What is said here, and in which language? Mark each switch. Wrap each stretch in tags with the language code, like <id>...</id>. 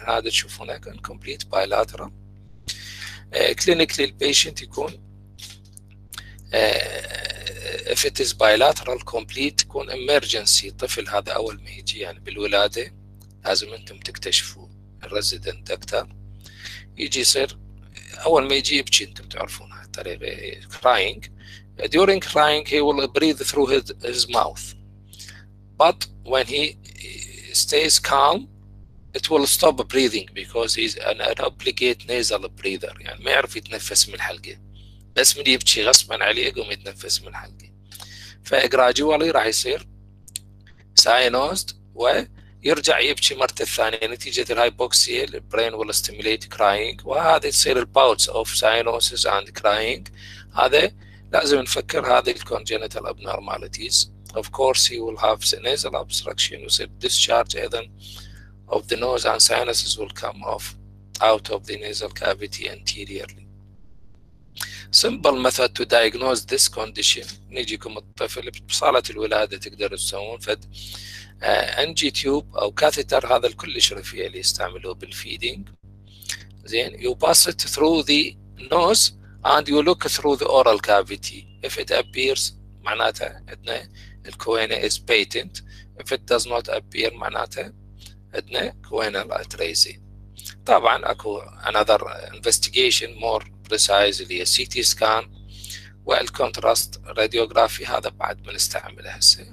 <ar>هذا تشوفون هناك انكمبليت بايلاترال. كلينيكلي البيشنت يكون</ar> <en>if it is bilateral complete</en> <ar>يكون امرجنسي، طفل هذا اول ما يجي يعني بالولاده لازم انتم تكتشفوا الريزيدنت دكتور. يجي يصير أول ما يجي يبكي، أنتم تعرفون هالطريقة crying.</ar> <en>During crying he will breathe through his mouth. But when he stays calm it will stop breathing because he's an obligate nasal breather.</en> <ar>يعني ما يعرف يتنفس من الحلقة. بس من يبكي غصبا عليه يقوم يتنفس من الحلقة. ف gradually راح يصير cyanosed و يرجع يبكي مرة ثانية نتيجة الهايبوكسيا.</ar> <en>الـ brain will stimulate crying</en> <ar>وهذه تصير</ar> <en>الـ bouts of cyanosis and crying.</en> <ar>هذا لازم نفكر هذه الـ congenital abnormalities.</ar> <en>Of course he will have nasal obstruction</en> <ar>يصير</ar> <en>discharge أيضا of the nose and sinuses will come off out of the nasal cavity anteriorly. Simple method to diagnose this condition.</en> <ar>نجيكم الطفل بصالة الولادة تقدر تسوون فد NG tube أو كاثيتر، هذا الكلش رفيع اللي يستعملوه بالفيدينج.</ar> <en>زين you pass it through the nose and you look through the oral cavity. If it appears</en> <ar>معناته عندنا الكوينة</ar> <en>is patent. If it does not appear</en> <ar>معناته عندنا كوينة الاتريزي. طبعا اكو</ar> <en>another investigation more precise</en> <ar>اللي هي CT scan والكونتراست راديوغرافي، هذا بعد بنستعمله هسه.</ar>